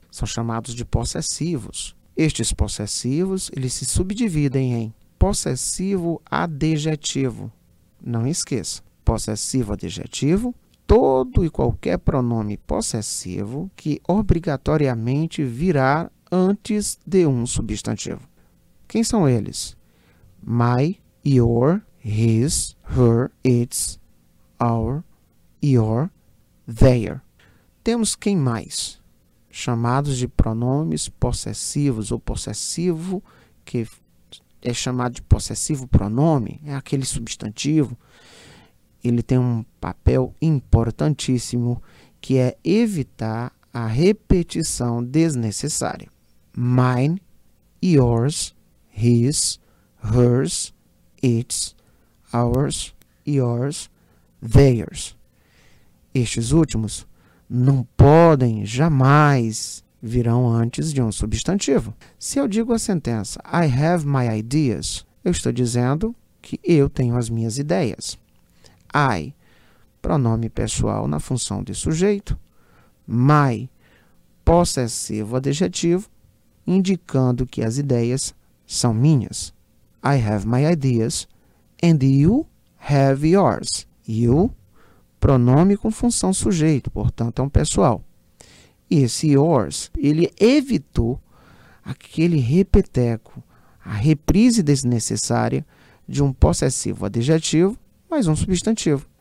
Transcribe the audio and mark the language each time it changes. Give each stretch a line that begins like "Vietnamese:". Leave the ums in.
Portuguese: São chamados de possessivos. Estes possessivos, eles se subdividem em possessivo adjetivo. Não esqueça, possessivo adjetivo, todo e qualquer pronome possessivo que obrigatoriamente virá antes de um substantivo. Quem são eles?
English: My, your, his, her, its, our, your, their.
Portuguese: Temos quem mais? Chamados de pronomes possessivos ou possessivo, que é chamado de possessivo pronome, é aquele substantivo. Ele tem um papel importantíssimo que é evitar a repetição desnecessária.
English: Mine, yours, his, hers, its, ours, yours, theirs.
Portuguese: Estes últimos não podem jamais virão antes de um substantivo. Se eu digo a sentença
English: I have my ideas,
Portuguese: eu estou dizendo que eu tenho as minhas ideias. I, pronome pessoal na função de sujeito. My, possessivo adjetivo, indicando que as ideias são minhas.
English: I have my ideas and you have yours.
Portuguese: You, pronome com função sujeito, portanto é um pessoal. E esse yours, ele evitou aquele repeteco, a reprise desnecessária de um possessivo adjetivo mais um substantivo.